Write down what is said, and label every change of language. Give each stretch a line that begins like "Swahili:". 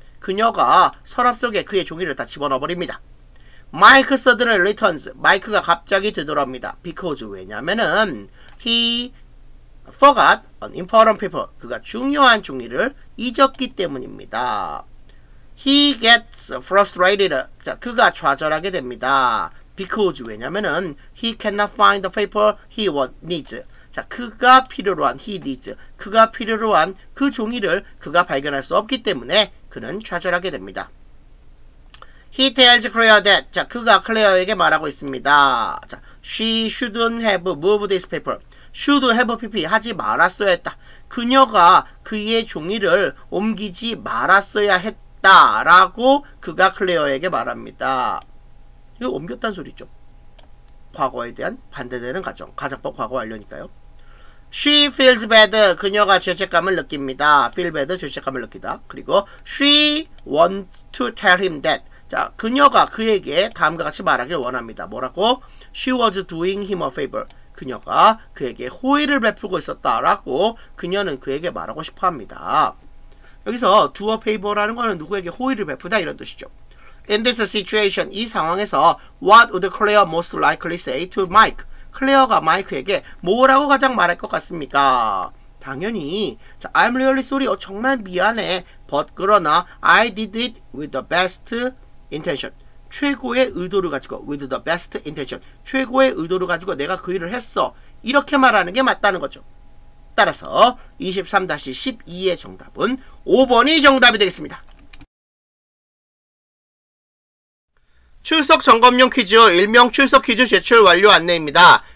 Korean: 그녀가 서랍 속에 그의 종이를 다 집어넣어버립니다. 마이크 서든을 리턴즈. 마이크가 갑자기 되돌아옵니다.
English: Because
Korean: 왜냐면은
English: he forgot an important paper.
Korean: 그가 중요한 종이를 잊었기 때문입니다.
English: He gets frustrated.
Korean: 자, 그가 좌절하게 됩니다.
English: Because
Korean: 왜냐면은
English: he cannot find the paper he needs.
Korean: 자, 그가 필요로 한
English: he needs.
Korean: 그가 필요로 한 그 종이를 그가 발견할 수 없기 때문에 그는 좌절하게 됩니다.
English: He tells Claire that.
Korean: 자, 그가 클레어에게 말하고 있습니다.
English: 자, she shouldn't have moved this paper. Should have PP
Korean: 하지 말았어야 했다. 그녀가 그의 종이를 옮기지 말았어야 했다. 라고 그가 클레어에게 말합니다. 이거 옮겼단 소리죠. 과거에 대한 반대되는 가정. 가정법 과거 완료니까요.
English: She feels bad.
Korean: 그녀가 죄책감을 느낍니다.
English: Feel bad.
Korean: 죄책감을 느끼다. 그리고
English: she wants to tell him that.
Korean: 자, 그녀가 그에게 다음과 같이 말하길 원합니다. 뭐라고?
English: She was doing him a favor.
Korean: 그녀가 그에게 호의를 베풀고 있었다라고 그녀는 그에게 말하고 싶어 합니다. 여기서 do a favor라는 거는 누구에게 호의를 베푸다 이런 뜻이죠.
English: In this situation,
Korean: 이 상황에서
English: what would Claire most likely say to Mike?
Korean: 클레어가 마이크에게 뭐라고 가장 말할 것 같습니까? 당연히 자,
English: I'm really sorry.
Korean: 정말 미안해.
English: But
Korean: 그러나
English: I did it with the best intention.
Korean: 최고의 의도를 가지고
English: with the best intention.
Korean: 최고의 의도를 가지고 내가 그 일을 했어. 이렇게 말하는 게 맞다는 거죠. 따라서 23-12의 정답은 5번이 정답이 되겠습니다. 출석 점검용 퀴즈, 일명 출석 퀴즈 제출 완료 안내입니다.